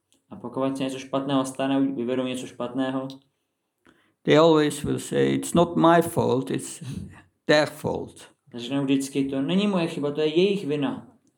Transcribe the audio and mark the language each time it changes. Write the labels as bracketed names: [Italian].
[Czech] A pokud se něco špatného stane, vyvedou něco špatného. [English] They always will say it's not my fault, it's their fault. [Czech] Řeknou vždycky, to není moje chyba, to je jejich vina.